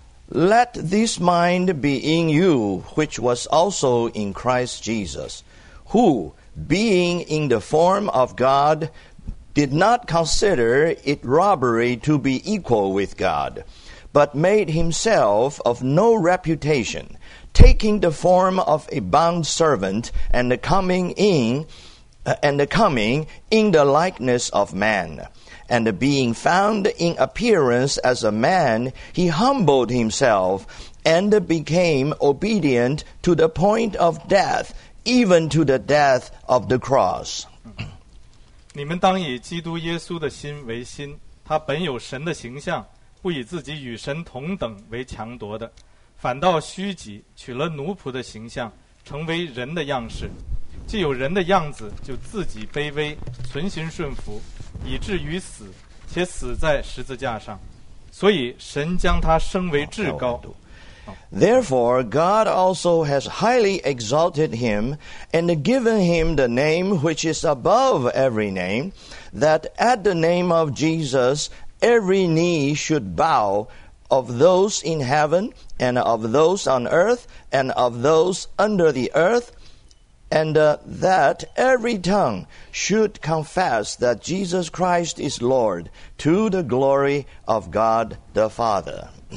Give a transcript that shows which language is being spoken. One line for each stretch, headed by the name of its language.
English: Let this mind be in you, which was also in Christ Jesus, who, being in the form of God, did not consider it robbery to be equal with God, but made himself of no reputation, taking the form of a bondservant and coming in the likeness of man. And being found in appearance as a man, he humbled himself and became obedient to the point of death, even to the death of the cross.
Chinese: 你们当以基督耶稣的心为心，他本有神的形象，不以自己与神同等为强夺的，反倒虚己，取了奴仆的形象，成为人的样式。既有人的样子，就自己卑微，存心顺服。以至于死，且死在十字架上，所以神将他升为至高。
English: Therefore, God also has highly exalted him and given him the name which is above every name, that at the name of Jesus every knee should bow, of those in heaven and of those on earth and of those under the earth, and that every tongue should confess that Jesus Christ is Lord, to the glory of God the Father.